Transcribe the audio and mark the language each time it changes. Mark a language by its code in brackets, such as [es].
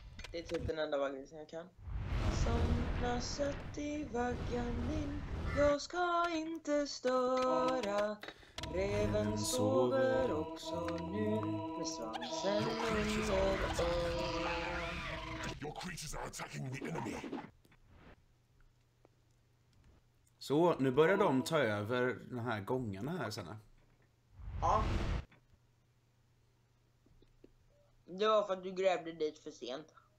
[sv] Det är typ den enda vaggen som jag kan. Somna sött i vaggan din, jag ska inte störa. Reven sover också nu med svansen under öronen. [en] Your creatures are attacking the enemy. [sv] Så, nu börjar de ta över de här gångarna här sen. Ja. Det var för att du grävde dit för sent.